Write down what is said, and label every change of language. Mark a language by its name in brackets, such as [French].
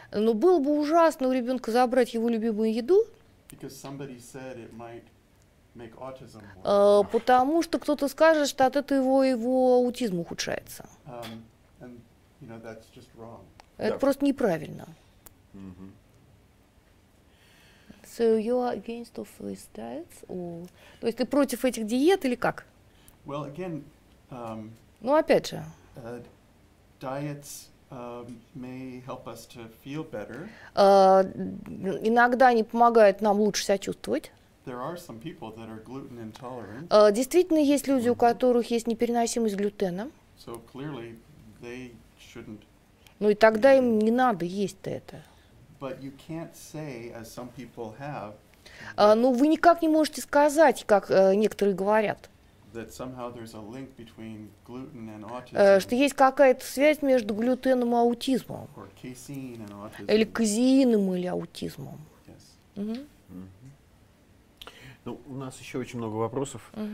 [Russian] Но было бы ужасно у ребенка забрать его любимую еду. [English] Because somebody said it might make autism worse. [Russian] Потому что кто-то скажет, что от этого его аутизм ухудшается. [English] And you know that's just wrong. [Russian] Это yep. просто неправильно. [English] So you are against of these diets, or... [Russian] То есть ты против этих диет или как? [English] Well, again, [Russian] ну опять же. [English] Diets may help us to feel better. [Russian] Иногда они помогают нам лучше себя чувствовать. [English] There are some people that are gluten intolerant. [Russian] Действительно, есть люди, у которых есть непереносимость глютена. [English] So clearly they shouldn't. [Russian] Ну и тогда им не надо есть-то это. [English] But you can't say, as some people have. [Russian] Но вы никак не можете сказать, как некоторые говорят. [English] That somehow there's a link between gluten and autism. [Russian] Что есть какая-то связь между глютеном и аутизмом. [English] Or casein and autism. [Russian] Или казеином или аутизмом. [English] Yes. [Russian] Ну, у нас еще очень много вопросов.